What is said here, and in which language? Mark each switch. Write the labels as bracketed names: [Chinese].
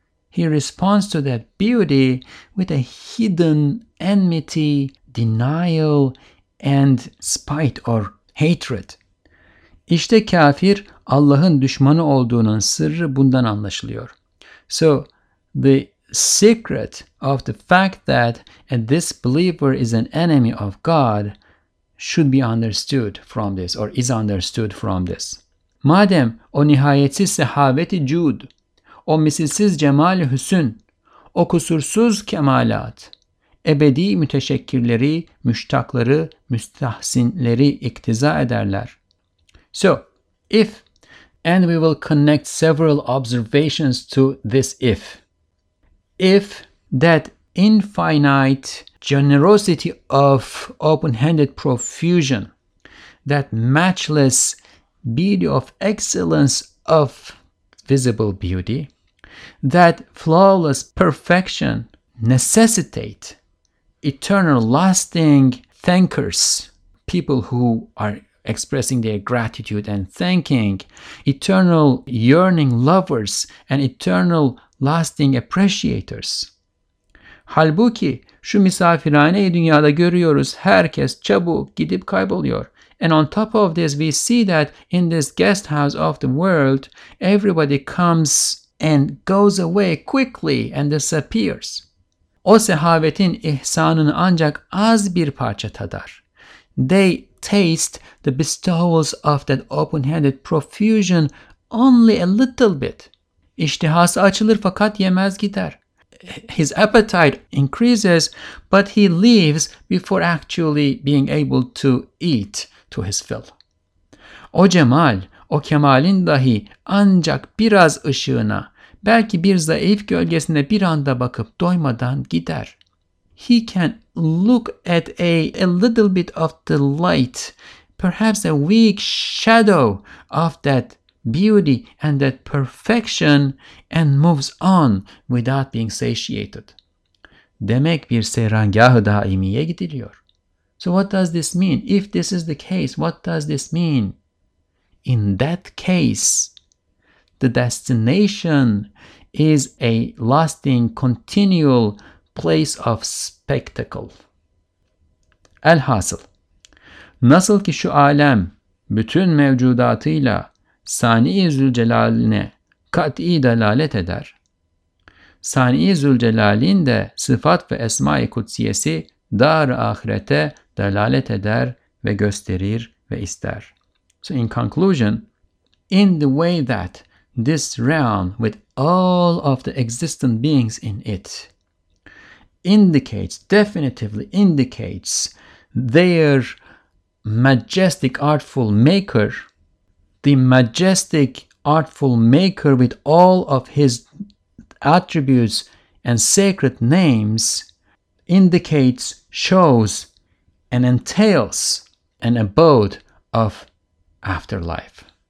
[English] He responds to that beauty with a hidden enmity, denial, and spite or hatred. [Turkish] İşte kafir Allah'ın düşmanı olduğunun sırrı bundan anlaşılıyor. [English] So, the secret of the fact that a disbeliever is an enemy of God should be understood from this, or is understood from this. [Turkish] Madem o nihayetsiz sehaveti cud, o misilsiz cemali hüsün, o kusursuz kemalat, ebedi müteşekkirleri, müştakları, müstahsinleri iktiza ederler. [English] So, if, and we will connect several observations to this if that infinite generosity of open-handed profusion, that matchless beauty of excellence of visible beauty, that flawless perfection necessitate eternal lasting thankers, people who are expressing their gratitude and thanking, eternal yearning lovers and eternal lasting appreciators. [Turkish] Halbuki şu misafirhaneyi dünyada görüyoruz, herkes çabuk gidip kayboluyor. [English] And on top of this, we see that in this guest house of the world, everybody comes and goes away quickly and disappears. [Turkish] O sehavetin ihsanını ancak az bir parça tadar. [English] They taste the bestowals of that open-handed profusion only a little bit. [Turkish] İştihası açılır fakat yemez gider. [English] His appetite increases, but he leaves before actually being able to eat to his fill. [Turkish] O cemal, o kemalin dahi ancak biraz ışığına, belki bir zayıf gölgesine bir anda bakıp doymadan gider. [English] He can look at a little bit of the light, perhaps a weak shadow of that beauty and that perfection, and moves on without being satiated. [Turkish] Demek bir seyrangâh-ı daimiye gidiliyor. [English] So what does this mean? If this is the case, what does this mean? In that case, the destination is a lasting, continual place of spectacle. [Turkish] Elhasıl, nasıl ki şu alem bütün mevcudatıyla Sani-i Zülcelal'ine kat'i dalalet eder, Sani-i Zülcelal'in de sıfat ve esma-i kutsiyesi dar-ı ahirete delalet eder ve gösterir ve ister. [English] So in conclusion, in the way that this realm with all of the existent beings in it indicates, definitively indicates their majestic artful maker, the majestic artful maker with all of his attributes and sacred names indicates, shows, and entails an abode of afterlife.